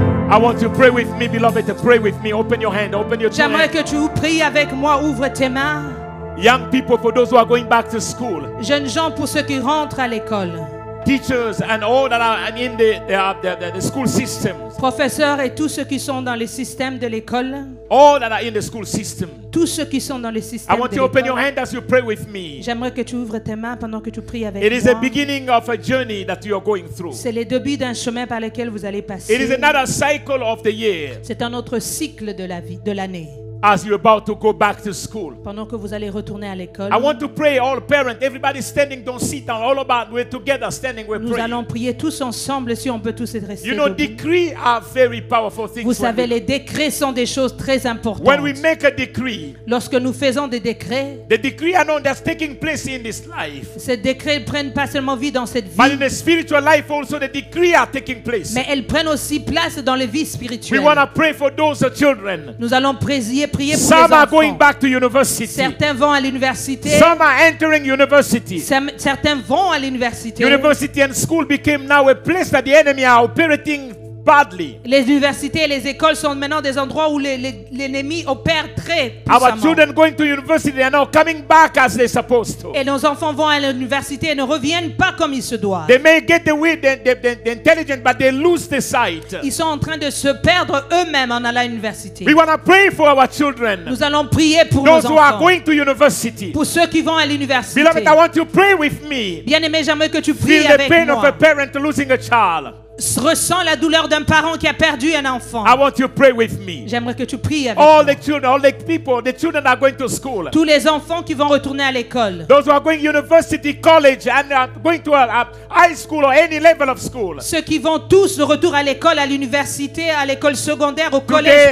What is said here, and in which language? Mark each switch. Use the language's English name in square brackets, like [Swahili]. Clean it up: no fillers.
[English] I want you to pray with me, beloved, to pray with me. Open your hand, open your chest. [French] J'aimerais que tu pries avec moi, ouvre tes mains. [English] Young people, for those who are going back to school. [French] Jeunes gens, pour ceux qui rentrent à l'école. [English] Teachers and all that are in the school system. [French] Professeurs et tous ceux qui sont dans les systèmes de l'école. [English] All that are in the school system. [French] Tous ceux qui sont dans les systèmes. [English] I want you to open your hand as you pray with me. [French] J'aimerais que tu ouvres tes mains pendant que tu pries avec moi. [English] It is the beginning of a journey that you are going through. [French] C'est le début d'un chemin par lequel vous allez passer. [English] It is another cycle of the year. [French] C'est un autre cycle de la vie, de l'année. [English] As you're about to go back to school. [French] Pendant que vous allez retourner à l'école. [English] I want to pray all parents, everybody standing, don't sit down, all about, we're together standing, we're [French] nous [English] praying. [French] Allons prier tous ensemble si on peut tous être restés. [English] You know, decrees are very powerful things. [French] Vous savez, les décrets sont des choses très importantes. [English] When we make a decree, [French] lorsque nous faisons des décrets, [English] the decree are not just taking place in this life. [French] Ces décrets prennent pas seulement vie dans cette vie. [English] But in the spiritual life also, the decrees are taking place. [French] Mais elles prennent aussi place dans les vies spirituelles. [English] We want to pray for those children. [French] Nous allons prier. [English] Some are going back to university. [French] Certains vont à l'université. [English] Some are entering university. [French] Certains vont à l'université. [English] University and school became now a place that the enemy are operating badly. [French] Les universités et les écoles sont maintenant des endroits où l'ennemi opère très puissamment. [English] Our children going to university are now coming back as they're supposed to. [French] Et nos enfants vont à l'université et ne reviennent pas comme ils se doivent. [English] They may get the intelligent, but they lose the sight. [French] Ils sont en train de se perdre eux-mêmes en allant à l'université. [English] We want to pray for our children. [French] Nous allons prier pour [English] those [French] nos enfants. [English] Those who are going to university. [French] Pour ceux qui vont à l'université. [English] Beloved, I want you to pray with me. [French] Bien-aimé, j'aimerais que tu pries avec moi. [English] Feel the pain of a parent losing a child. [French] Ressens la douleur d'un parent qui a perdu un enfant. [English] I want you to pray with me. [French] J'aimerais que tu pries avec [English] all [French] moi. [English] The children, all the people, the children are going to school. [French] Tous les enfants qui vont retourner à l'école. [English] Those who are going to university, college, and going to a high school or any level of school. [French] Ceux qui vont tous de retour à l'école, à l'université, à l'école secondaire, au collège.